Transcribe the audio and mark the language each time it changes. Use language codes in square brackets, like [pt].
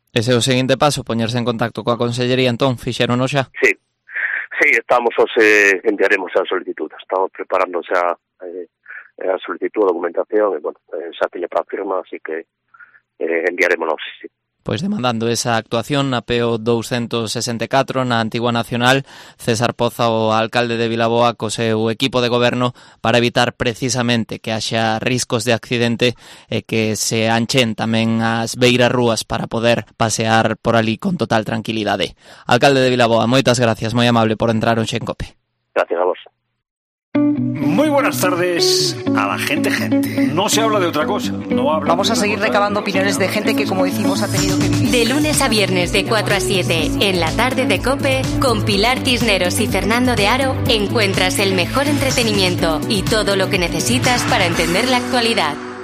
[gl] Ese é o seguinte paso, poñerse en contacto coa Consellería, entón, fixéronos xa? Sí. Sí, estamos, enviaremos a solicitud. Estamos preparando xa a solicitud, a documentación, e, bueno, xa teña para firma, así que enviaremos, sí, sí. Pois demandando esa actuación na PO 264 na Antigua Nacional, César Poza, o alcalde de Vilaboa, co seu equipo de goberno, para evitar precisamente que haxa riscos de accidente e que se anchen tamén as beiras rúas para poder pasear por ali con total tranquilidade. Alcalde de Vilaboa, moitas gracias, moi amable por entrar hoxe en COPE. Gracias a vos. [es] Muy buenas tardes a la gente. No se habla de otra cosa. No habla. Vamos a seguir recabando opiniones de gente que, como decimos, ha tenido que vivir. De lunes a viernes de 4 a 7 en la tarde de COPE, con Pilar Cisneros y Fernando de Aro, encuentras el mejor entretenimiento y todo lo que necesitas para entender la actualidad.